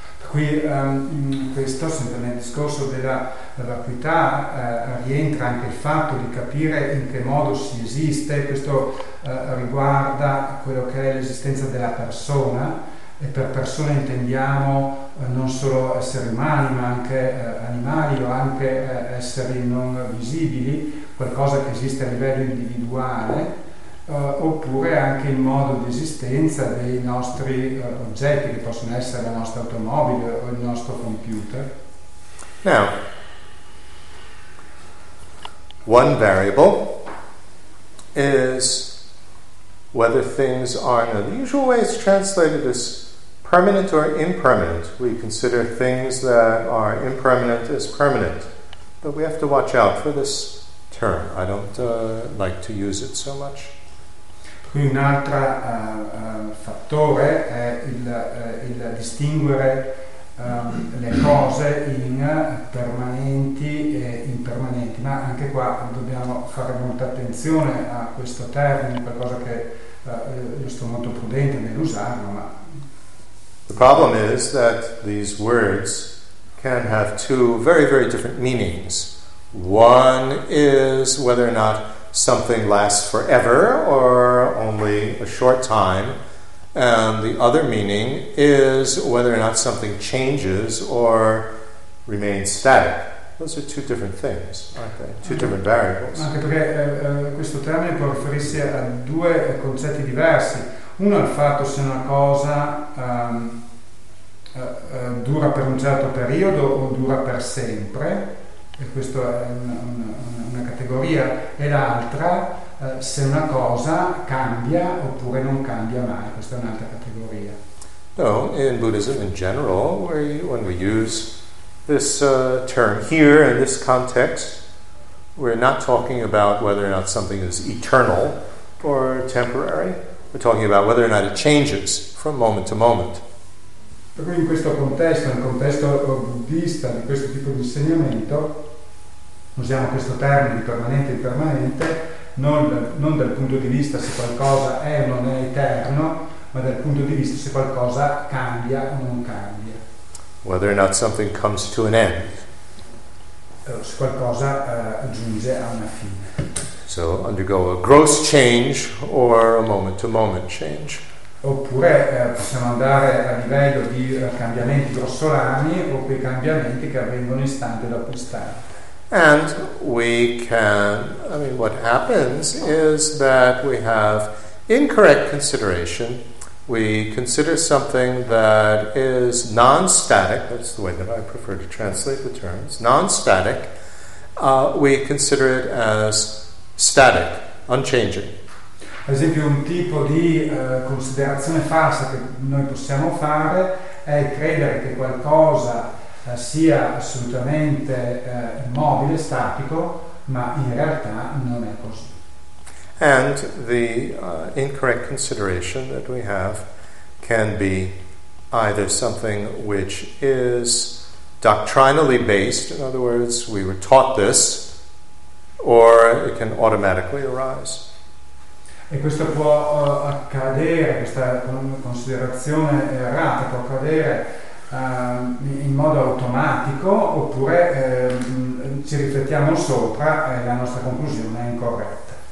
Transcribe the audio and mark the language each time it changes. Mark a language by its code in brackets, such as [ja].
[it] Qui questo sempre nel discorso della vacuità rientra anche il fatto di capire in che modo si esiste. Questo riguarda quello che è l'esistenza della persona, e per persona intendiamo non solo esseri umani ma anche animali o anche esseri non visibili, qualcosa che esiste a livello individuale, oppure anche il modo di esistenza dei nostri oggetti, che possono essere la nostra automobile o il nostro computer. [en] Now, one variable is whether things are, the usual way it's translated as permanent or impermanent. We consider things that are impermanent as permanent, but we have to watch out for this term. I don't like to use it so much. [it] Qui un altro fattore è il distinguere le cose in permanenti e impermanenti, ma anche qua dobbiamo fare molta attenzione a questo termine, qualcosa che io sto molto prudente nell'usarlo, ma... [en] The problem is that these words can have two very, very different meanings. One is whether or not something lasts forever or only a short time, and the other meaning is whether or not something changes or remains static. Those are two different things, aren't they? Two different variables. [it] Anche perché questo termine può riferirsi a due concetti diversi. Uno è il fatto se una cosa dura per un certo periodo o dura per sempre, e questo è una categoria, e l'altra se una cosa cambia oppure non cambia mai, questa è un'altra categoria. [en] No, in Buddhism in general, when we use this term here in this context, we're not talking about whether or not something is eternal or temporary, we're talking about whether or not it changes from moment to moment. [it] Per cui in questo contesto, nel contesto buddista di questo tipo di insegnamento, usiamo questo termine di permanente e impermanente non dal punto di vista se qualcosa è o non è eterno, ma dal punto di vista se qualcosa cambia o non cambia. [en] Whether or not something comes to an end. [it] Se qualcosa giunge a una fine. [en] So undergo a gross change or a moment-to-moment change. [it] Oppure possiamo andare a livello di cambiamenti grossolani o quei cambiamenti che avvengono istante dopo istante. [en] And we can, what happens is that we have incorrect consideration. We consider something that is non-static, that's the way that I prefer to translate the terms, non-static, we consider it as static, unchanging. [it] Ad esempio, un tipo di considerazione falsa che noi possiamo fare è credere che qualcosa sia assolutamente immobile, statico, ma in realtà non è così. [en] And the incorrect consideration that we have can be either something which is doctrinally based, in other words, we were taught this, or it can automatically arise. [it] E questo può accadere, questa considerazione errata può accadere in modo automatico, oppure ci riflettiamo sopra e la nostra conclusione è incorretta.